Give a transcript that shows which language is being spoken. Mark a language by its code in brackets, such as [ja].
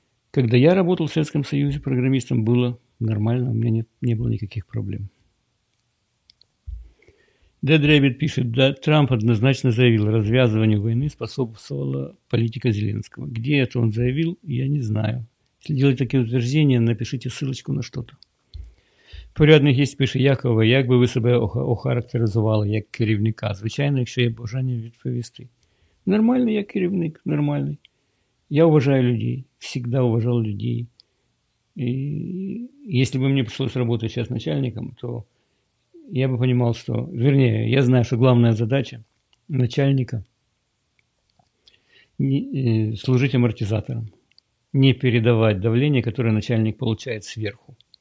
[ru] Когда я работал в Советском Союзе программистом, было нормально, у меня не было никаких проблем. Дед Рэббит пишет, да, Трамп однозначно заявил, развязыванию войны способствовала политика Зеленского. Где это он заявил, я не знаю. Если делать такие утверждения, напишите ссылочку на что-то. [uk] Порядок есть, пише Якова, як би ви себе охарактеризували як керівника? Звичайно, якщо є бажання відповісти. Нормальний я керівник, нормальний. [ru] Я уважаю людей, всегда уважав людей. [uk] І якщо б мені [ru] пришлось работать сейчас начальником, то я бы понимал, что, вернее, я знаю, что главная задача начальника служить амортизатором, не передавать давление, которое начальник получает сверху.